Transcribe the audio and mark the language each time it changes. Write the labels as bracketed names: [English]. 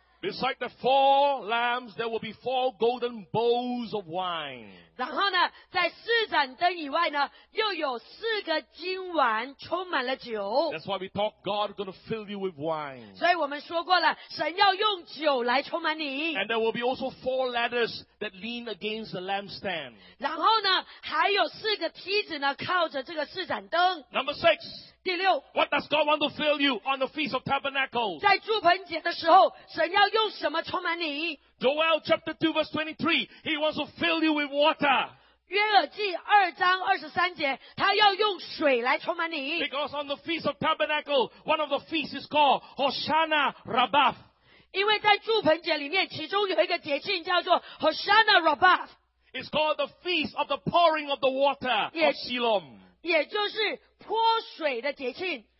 [English] Beside the four lamps, there will be four golden bowls of wine. [Chinese] 然后呢，在四盏灯以外呢，又有四个金碗充满了酒。 [English] That's why we talk God is going to fill you with wine. [Chinese] 所以我们说过了，神要用酒来充满你。 [English] And there will be also four ladders that lean against the lampstand. [Chinese] 然后呢，还有四个梯子呢，靠着这个四盏灯。 [English] Number six. [Chinese] 第六 [English] What does God want to fill you on the Feast of Tabernacles? [Chinese] 在祝棚节的时候，神要用什么充满你？ [English] Joel chapter 2 verse 23, He wants to fill you with water. [Chinese] 约珥记二章二十三节，他要用水来充满你。 [English] Because on the Feast of Tabernacles, one of the feasts is called Hosanna Rabbah. [Chinese] 因为在祝棚节里面，其中有一个节庆叫做 Hosanna Rabbah. [English] It's called the Feast of the Pouring of the Water of Siloam. [Chinese] 也就是泼水的节庆。